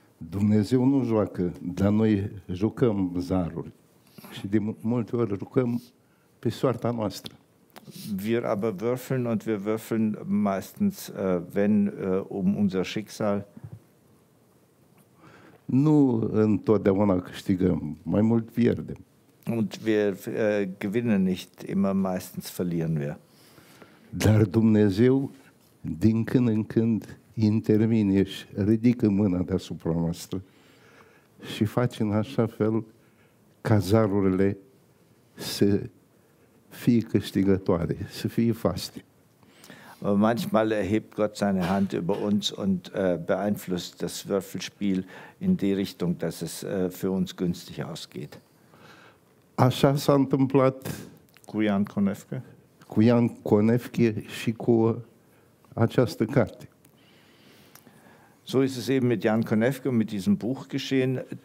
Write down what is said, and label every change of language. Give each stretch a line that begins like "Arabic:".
Romanian: Dumnezeu nu joacă, dar noi jucăm zaruri. Și de multe ori jucăm pe soarta noastră.
German: Wir aber würfeln und wir würfeln meistens, um unser Schicksal.
Romanian: Nu întotdeauna câștigăm, mai mult pierdem.
German: Und wir gewinnen nicht immer, meistens verlieren wir.
Romanian: Dar Dumnezeu din când în când intervine și ridică mâna deasupra noastră și face în așa fel ca zarurile să fie câștigătoare, să fie faste.
German: Aber manchmal erhebt Gott seine Hand über uns und beeinflusst das Würfelspiel in die Richtung, dass es für uns günstig ausgeht.
Romanian: Așa s-a întâmplat cu Jan Konefke. Cu Jan Konefke și cu această carte.
German: So ist es eben mit Jan Konefke und mit diesem Buch geschehen.